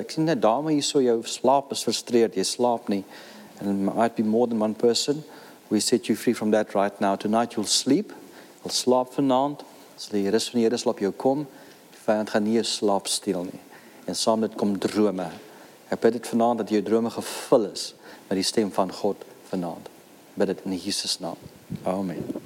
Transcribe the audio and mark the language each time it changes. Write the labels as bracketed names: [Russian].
[Afrikaans] Ek sien 'n dame hier so, jou slaap is frustreerd. Jy slaap nie. [English] And it might be more than one person. We set you free from that right now. Tonight you'll sleep. You'll [Afrikaans] slaap vanavond. So die rus van die Here sal op jou kom. Die vyand gaan nie jou slaap steel nie. En saam dit kom drome. Ek bid dit vanaand dat jou drome gevul is met die stem van God vanaand. Bid dit in Jesus naam. Amen.